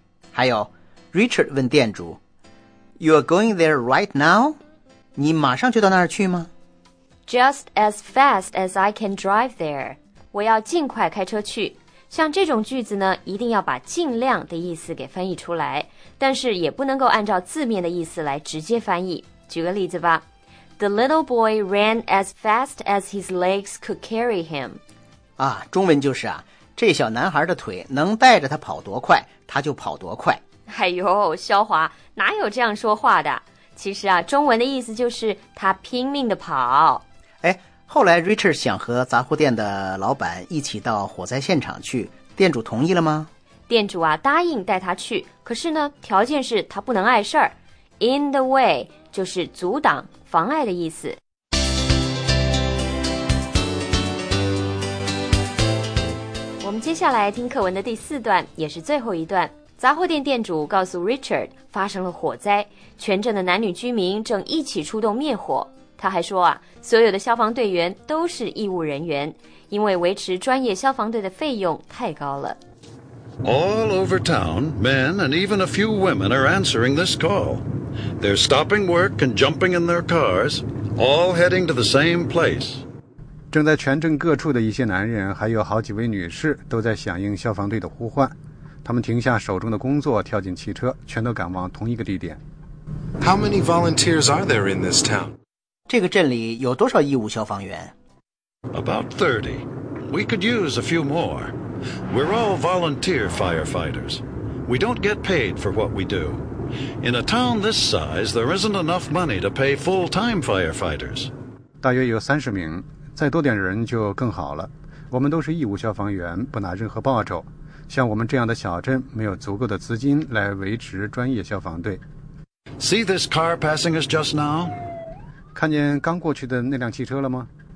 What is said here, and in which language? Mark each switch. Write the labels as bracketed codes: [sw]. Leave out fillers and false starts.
[zh] 还有 Richard 问店主 [en] You're going there right now? [zh] 你马上就到那儿去吗？ [en] Just as fast as I can drive there. [zh] 我要尽快开车去。像这种句子呢，一定要把尽量的意思给翻译出来，但是也不能够按照字面的意思来直接翻译。举个例子吧， [en] The little boy ran as fast as his legs could carry him. [zh] 啊，中文就是啊，这小男孩的腿能带着他跑多快他就跑多快。哎呦，萧华，哪有这样说话的？其实啊，中文的意思就是他拼命的跑。哎，后来 Richard 想和杂货店的老板一起到火灾现场去，店主同意了吗？店主啊，答应带他去，可是呢，条件是他不能碍事儿。 [en] In the way [zh] 就是阻挡、妨碍的意思。我们接下来听课文的第四段，也是最后一段。杂货店店主告诉 Richard 发生了火灾，全镇的男女居民正一起出动灭火。他还说啊，所有的消防队员都是义务人员，因为维持专业消防队的费用太高了。 [en] All over town, men and even a few women are answering this call. They're stopping work and jumping in their cars, all heading to the same place. [zh] 正在全镇各处的一些男人还有好几位女士都在响应消防队的呼唤，他们停下手中的工作，跳进汽车，全都赶往同一个地点。 [en] How many volunteers are there in this town? [zh] 这个镇里有多少义务消防员？ [en] About 30. We could use a few more. We're all volunteer firefighters. We don't get paid for what we do. In a town this size, there isn't enough money to pay full-time firefighters. [zh] 大约有30名，再多点人就更好了。我们都是义务消防员，不拿任何报酬。像我们这样的小镇，没有足够的资金来维持专业消防队。 [en] See this car passing us just now? [zh] 看见刚过去的那辆汽车了吗？